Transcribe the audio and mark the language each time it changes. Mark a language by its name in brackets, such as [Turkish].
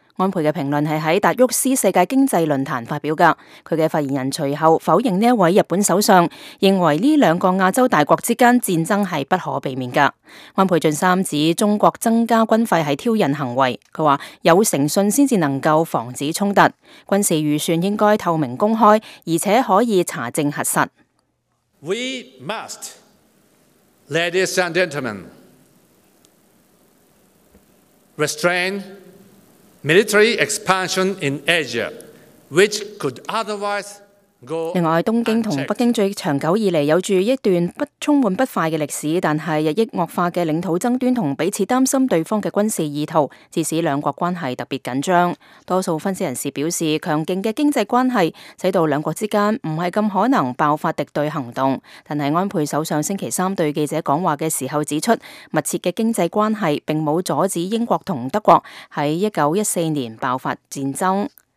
[Chinese] 安倍的评论是在达沃斯世界经济论坛发表的，他的发言人随后否认这位日本首相，认为这两个亚洲大国之间战争是不可避免的。安倍晋三指中国增加军费是挑衅行为，他说有诚信才能够防止冲突，军事预算应该透明公开，而且可以查证核实。 [English] We must, ladies and gentlemen, restrain military expansion in Asia, which could otherwise go unchecked. [Chinese] 另外，東京和北京最長久以來有著一段不充滿不快的歷史，但是日益惡化的領土爭端和彼此擔心對方的軍事意圖，致使兩國關係特別緊張。多數分析人士表示，強勁的經濟關係使到兩國之間不是那麼可能爆發敵對行動，但是安倍首相星期三對記者講話的時候指出，密切的經濟關係並沒有阻止英國和德國在1914年爆發戰爭。